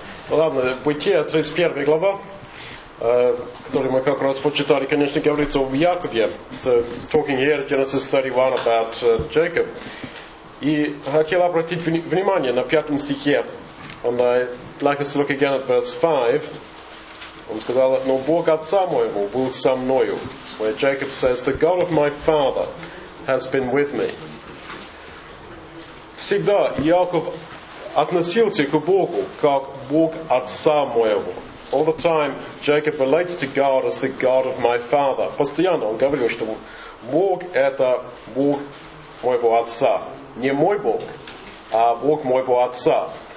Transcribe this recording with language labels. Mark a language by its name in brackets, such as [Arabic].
[Russian] Ладно, Бытие, 31 глава, который мы как раз почитали, конечно, говорится в Якове, с [English] talking here, Genesis 31 about Jacob. [Russian] И хотел обратить внимание на 5 стихе. [English] And I'd like us to look again at verse 5. [Russian] Он сказал, но Бог Отца моего был со мною. [English] Where Jacob says, the God of my father has been with me. [Russian] Всегда Яков относился к Богу как Бог Отца моего. [English] All the time Jacob relates to God as the God of my father. [Russian] Постоянно он говорил, что Бог это Бог моего Отца. Не мой Бог, а Бог моего Отца.